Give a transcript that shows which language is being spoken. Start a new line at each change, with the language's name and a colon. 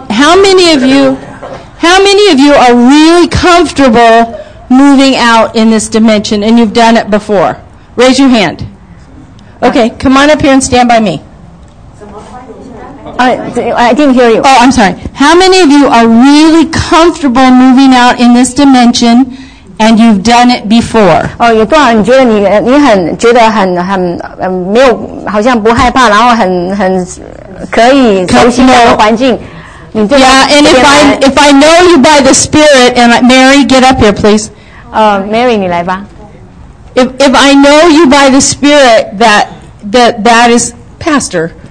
English: How many of you are really comfortable moving out in this dimension and you've done it before? Raise your hand. Okay, come on up here and stand by me. I didn't hear you. Oh, I'm sorry. How many of you are really comfortable moving out in this dimension and you've done it before?
Chinese: Oh, 有多少人觉得你很觉得很没有好像不害怕然后很可以熟悉那个环境
English: if I know you by the Spirit, and Mary, get up here, please.
Chinese: Mary, 你来吧.
English: If I know you by the Spirit, that is Pastor.